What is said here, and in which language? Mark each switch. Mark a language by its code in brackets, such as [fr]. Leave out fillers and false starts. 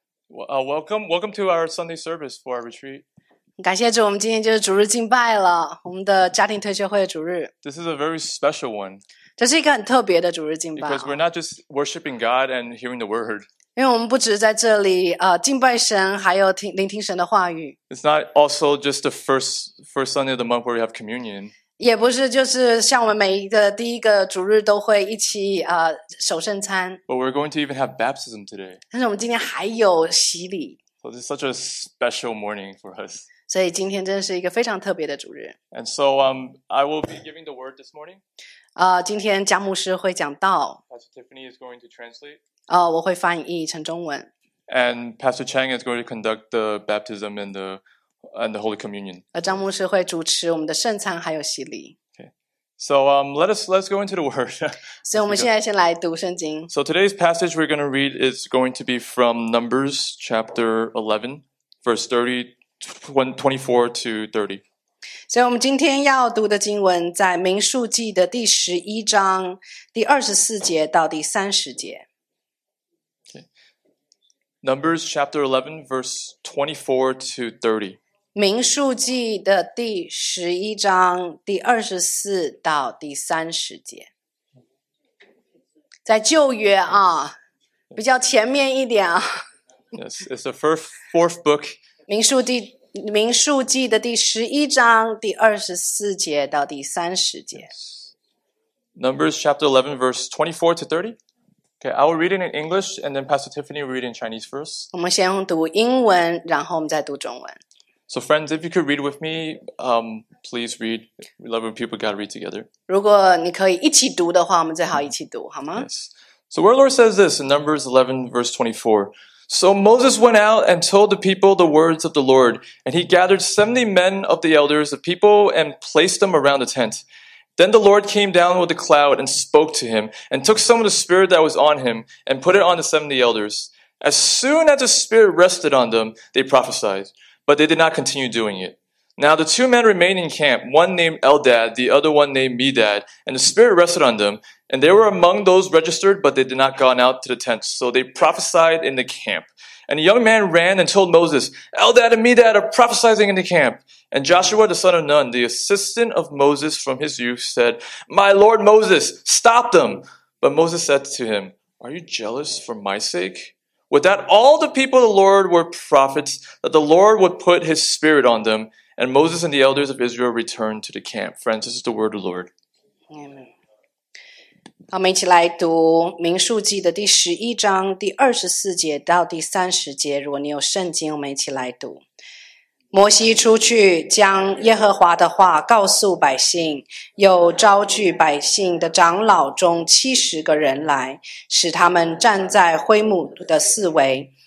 [en] Welcome to our Sunday service for our retreat. [zh] 感谢主，我们今天就是主日敬拜了，我们的家庭特休会主日。 [en] This is a very special one. [zh] 这是一个很特别的主日敬拜。 [en] Because we're not just worshiping God and hearing the word. [zh] 因为我们不只是在这里敬拜神，还有聆听神的话语。 [en] It's not also just the first Sunday of the month where we have communion. [zh] 也不是就是像我们每一个第一个主日都会一起守圣餐。 [en] But we're going to even have baptism today. [zh] 但是我们今天还有洗礼。 [en] So this is such a special morning for us. [zh] 所以今天真的是一个非常特别的主日。 [en] And so I will be giving the word this morning. [zh] 今天佳牧师会讲道。 [en] Pastor Tiffany is going to translate. [zh] 我会翻译成中文。 [en] And Pastor Chang is going to conduct the baptism and the Holy Communion. [zh] 张牧师会主持我们的圣餐还有洗礼。 [en] So let's go into the Word. [zh] 所以我们现在先来读圣经。 [en] So today's passage we're going to read is going to be from Numbers chapter 11, verse 24 to 30. [zh] 所以我们今天要读的经文在民数记的第十一章第二十四节到第三十节。 [en] Numbers chapter 11, verse 24 to 30. [zh] 民数记的第十一章第二十四到第三十节，在旧约啊，比较前面一点啊。 [en] Yes, it's the first fourth book. [zh] 民数记的第十一章第二十四节到第三十节。 [en] Yes. Numbers chapter 11, verse 24 to 30. Okay, I will read it in English, and then Pastor Tiffany will read in Chinese first. [zh] 我们先读英文，然后我们再读中文。 [en] So friends, if you could read with me, please read. We love when people got to read together. [zh] 如果你可以一起读的话，我们最好一起读，好吗？ [en] Yes. So where Lord says this in Numbers 11, verse 24. So Moses went out and told the people the words of the Lord, and he gathered 70 men of the elders of people and placed them around the tent. Then the Lord came down with a cloud and spoke to him and took some of the spirit that was on him and put it on the 70 elders. As soon as the spirit rested on them, they prophesied. But they did not continue doing it. Now the two men remained in camp, one named Eldad, the other one named Medad, and the spirit rested on them. And they were among those registered, but they did not gone out to the tents. So they prophesied in the camp. And a young man ran and told Moses, Eldad and Medad are prophesying in the camp. And Joshua, the son of Nun, the assistant of Moses from his youth, said, My Lord Moses, stop them. But Moses said to him, Are you jealous for my sake? With that, all the people of the Lord were prophets, that the Lord would put his spirit on them, and Moses and the elders of Israel returned to the camp. Friends, this is the word of the Lord. Amen. [zh] 好，我们一起来读民数记的第十一章第二十四节到第三十节。如果你有圣经，我们一起来读。摩西出去，将耶和华的话告诉百姓，又召聚百姓的长老中七十个人来，使他们站在灰幕的四围。